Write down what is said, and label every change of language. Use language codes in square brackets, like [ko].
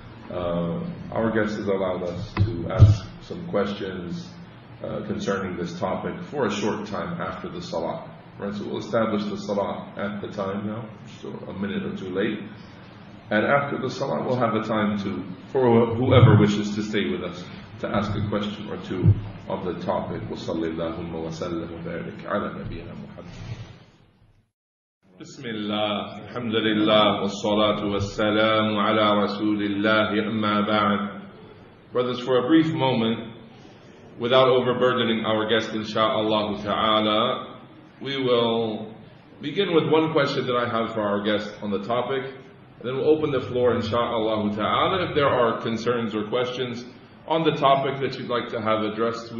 [en] Our guest has allowed us to ask some questions concerning this topic for a short time after the Salah. Right, so we'll establish the Salah at the time now, so a minute or two late. And after the Salah, we'll have a time to, for whoever wishes to stay with us, to ask a question or two of the topic. [ar] وَصَلِّ اللَّهُمَّ وَسَلَّمُ وَبَارِكَ عَلَى نَبِيَنَا مُحَمَّدٍ. بسم الله الحمد لله والصلاة والسلام على رسول الله أما بعد. [en] Brothers, for a brief moment, without overburdening our guest insha'Allah ta'ala, we will begin with one question that I have for our guest on the topic, then we'll open the floor insha'Allah ta'ala if there are concerns or questions on the topic that you'd like to have addressed.